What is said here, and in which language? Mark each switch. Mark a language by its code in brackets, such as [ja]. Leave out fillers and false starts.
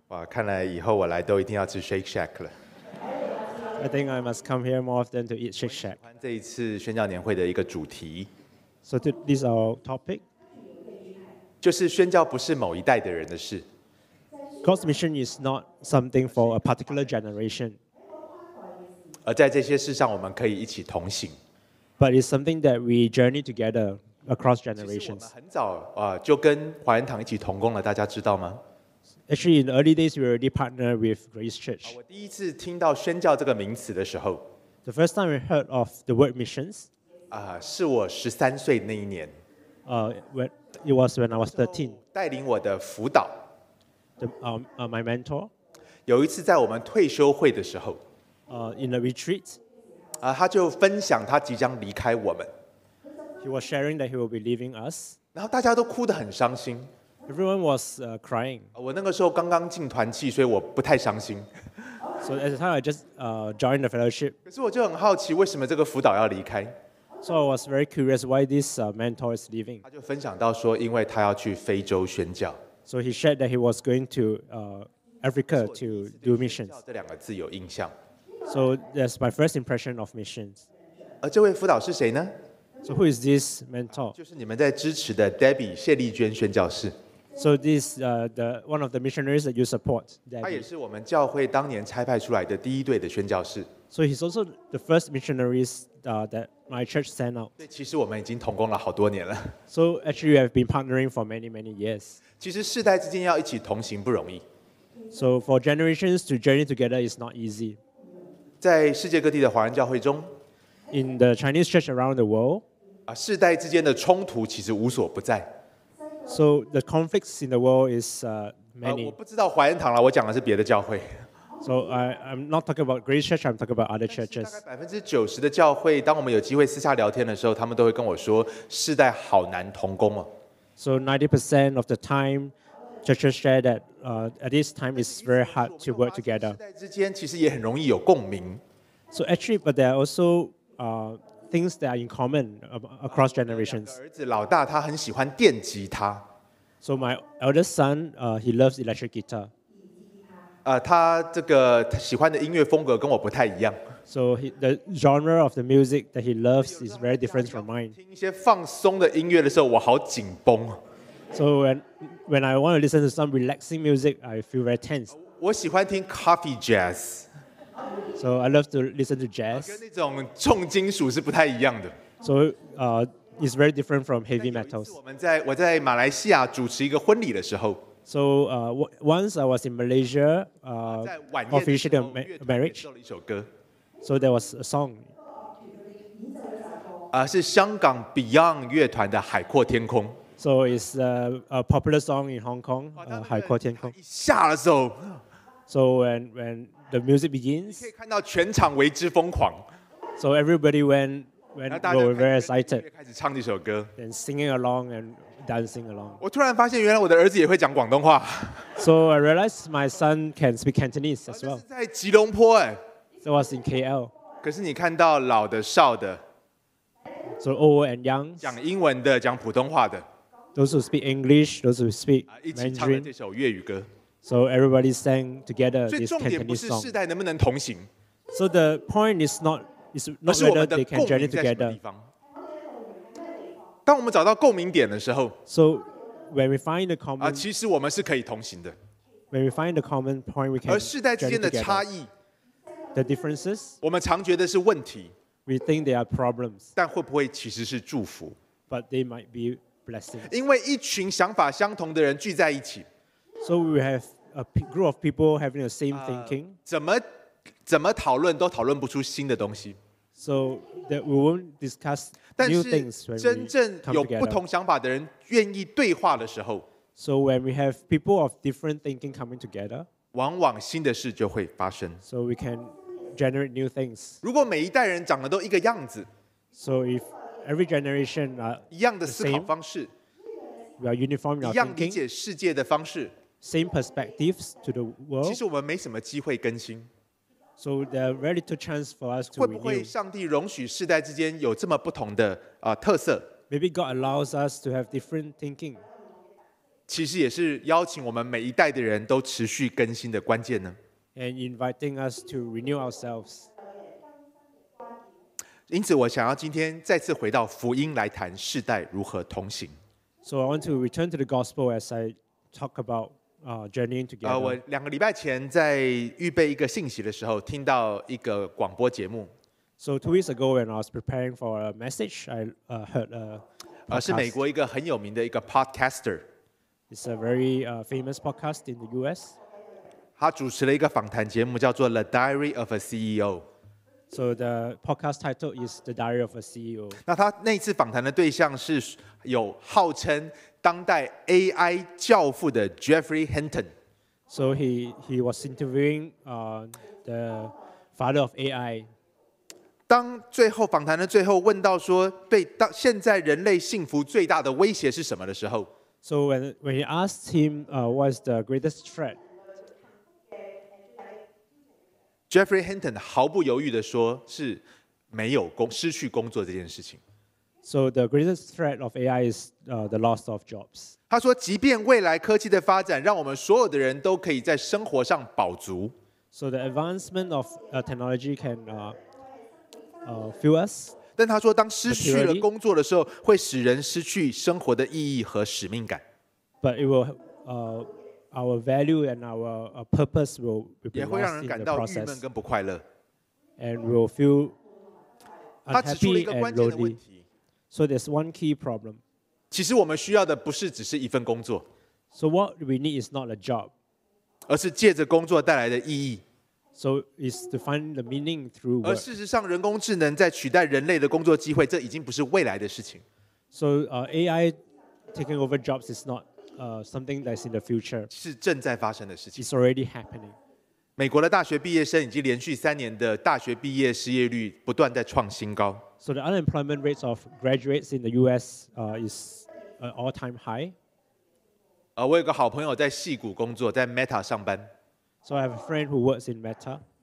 [zh] 哇，看来以后我来都一定要吃 Shake Shack 了。 [en] I think I must come here more often to eat Shake Shack. [zh] 我喜欢这一次宣教年会的一个主题。 [en] So this is our topic. [zh] 就是宣教不是某一代的人的事。 [en] God's mission is not something for a particular generation. [zh] 而在这些事上，我们可以一起同行。 [en] But it's something that we journey together. Across generations. [zh] 其实我们很早就跟华人堂一起同工了，大家知道吗？ [en] Actually, in the early days, we already partnered with Grace Church. [zh] 我第一次听到宣教这个名词的时候， [en] The first time we heard of the word missions, [zh] 是我十三岁那一年。 [en] It was when I was 13. [zh] 带领我的辅导， [en] my mentor, [zh] 有一次在我们退休会的时候， [en] in a retreat, [zh] 他就分享他即将离开我们。 [en] He was sharing that he will be leaving us. [zh] 然后大家都哭得很伤心。 [en] Everyone was crying. [zh] 我那个时候刚刚进团契，所以我不太伤心。 [en] So at the time I just joined the fellowship. [zh] 可是我就很好奇，为什么这个辅导要离开？ [en] So I was very curious why this mentor is leaving. [zh] 他就分享到说，因为他要去非洲宣教。 [en] So he shared that he was going to Africa to do missions. [zh] 这两个字有印象。 [en] So that's my first impression of missions. [zh] 而这位辅导是谁呢？ [en] So who is this mentor? [zh] 就是你们在支持的 Debbie 谢丽娟宣教士。 [en] So this the one of the missionaries that you support. [zh] 他也是我们教会当年差派出来的第一队的宣教士。 [en] So he's also the first missionaries that my church sent out. [zh] 其实我们已经同工了好多年了。 [en] So actually we have been partnering for many many years. [zh] 其实世代之间要一起同行不容易。 [en] So for generations to journey together is not easy. [zh] 在世界各地的华人教会中。 [en] In the Chinese church around the world, [zh] 世代之间的冲突其实无所不在。 [en] So the conflicts in the world is many. [zh] 我不知道华人堂了，我讲的是别的教会。 [en] So I'm not talking about Grace Church, I'm talking about other churches. [zh] 大概90%的教会，当我们有机会私下聊天的时候，他们都会跟我说，世代好难同工哦。 [en] So 90% of the time, churches share that at this time it's very hard to work together. [zh] 世代之间其实也很容易有共鸣。 [en] So actually, but there are also things that are in common across generations. [zh] 儿子老大他很喜欢电吉他。 [en] So my eldest son, he loves electric guitar. [zh] 他这个他喜欢的音乐风格跟我不太一样。 [en] So the genre of the music that he loves is very different from mine. [zh] 听一些放松的音乐的时候，我好紧绷。 [en] So when I want to listen to some relaxing music, I feel very tense. [zh] 我喜欢听 coffee jazz. [en] So I love to listen to jazz. [zh] 跟那种重金属是不太一样的。 [en] So it's very different from heavy metals. [zh] 我在马来西亚主持一个婚礼的时候。 [en] So once I was in Malaysia, officiated a marriage. [zh] 做了一首歌。 [en] So there was a song. [zh] 是香港 Beyond 乐团的《海阔天空》。 [en] So it's a popular song in Hong Kong, 海阔天空。 [zh] 下的时候。 [en] So when the music begins, [zh] 你可以看到全场为之疯狂。 [en] So everybody were very excited. [zh] 开始唱这首歌 [en] ，then singing along and dancing along. [zh] 我突然发现，原来我的儿子也会讲广东话。 [en] So I realized my son can speak Cantonese as well. [zh] 在吉隆坡哎 [en] ，so I was in KL. [zh] 可是你看到老的、少的 [en] ，so old and young, [zh] 讲英文的、讲普通话的 [en] ，those who speak English, those who speak Mandarin, [zh] 一起唱这首粤语歌。 [en] So everybody sang together this Cantonese song. [zh] 所以重点不是世代能不能同行。 [en] So the point is not whether they can journey together. [zh] 当我们找到共鸣点的时候 [en] ，So when we find the common, [zh] 其实我们是可以同行的。 [en] When we find the common point, we can journey together. [zh] 而世代之间的差异 [en] ，the differences, [zh] 我们常觉得是问题 [en] ，we think they are problems. [zh] 但会不会其实是祝福 [en] ？But they might be blessings. [zh] 因为一群想法相同的人聚在一起。 [en] So we have a group of people having the same thinking. [zh] 怎么讨论都讨论不出新的东西。 [en] So that we won't discuss new things when we come together. [zh] 但是真正有不同想法的人愿意对话的时候 [en] ，So when we have people of different thinking coming together, [zh] 往往新的事就会发生。 [en] So we can generate new things. [zh] 如果每一代人长得都一个样子 [en] ，So if every generation are [zh] 一样的思考方式。 [en] We are uniform in our thinking, [zh] 一样理解世界的方式 [en] ，same perspectives to the world。 [zh] 其实我们没什么机会更新 [en] ，so there are very little chance for us to renew。 [zh] 会不会上帝容许世代之间有这么不同的特色 [en] ？Maybe God allows us to have different thinking。 [zh] 其实也是邀请我们每一代的人都持续更新的关键呢。 [en] And inviting us to renew ourselves。 [zh] 因此，我想要今天再次回到福音来谈世代如何同行。 [en] So I want to return to the gospel as I talk about journeying together. [zh] 我两个礼拜前在预备一个信息的时候，听到一个广播节目。 [en] So 2 weeks ago, when I was preparing for a message, I heard a podcast. [zh] 是美国一个很有名的一个 podcaster. [en] It's a very famous podcast in the U.S. [zh] 他主持了一个访谈节目，叫做《The Diary of a CEO》。 [en] So the podcast title is The Diary of a CEO. [zh] 那他那次访谈的对象是有号称当代 AI 教父的 Jeffrey Hinton. [en] So he was interviewing the father of AI. [zh] 当最后访谈的最后问到说对当现在人类幸福最大的威胁是什么的时候 [en] ，So when he asked him what is the greatest threat. [zh] Jeffrey Hinton 毫不犹豫地说：“是没有失去工作这件事情。” [en] So the greatest threat of AI is the loss of jobs. [zh] 他说，即便未来科技的发展让我们所有的人都可以在生活上饱足。 [en] So the advancement of technology can fuel us. [zh] 但他说，当失去了工作的时候，会使人失去生活的意义和使命感。 [en] But it will our value and our purpose will be lost. [zh] 也会让人感到郁闷跟不快乐。 [en] And will feel unhappy and lonely. [zh] 他指出了一个关键的问题。 [en] So there's one key problem. [zh] 其实我们需要的不是只是一份工作。 [en] So what we need is not a job. [zh] 而是借着工作带来的意义。 [en] So it's to find the meaning through work. [zh] 而事实上，人工智能在取代人类的工作机会，这已经不是未来的事情。 [en] So AI taking over jobs is not something that's in the future. [zh] 是正在发生的事情。 [en] It's already happening. [zh] 美国的大学毕业生已经连续三年的大学毕业失业率不断在创新高。 [en] So the unemployment rates of graduates in the U.S. Is an all-time high. [zh] 我有个好朋友在矽谷工作，在 Meta 上班。 [en] So I have a friend who works in Meta.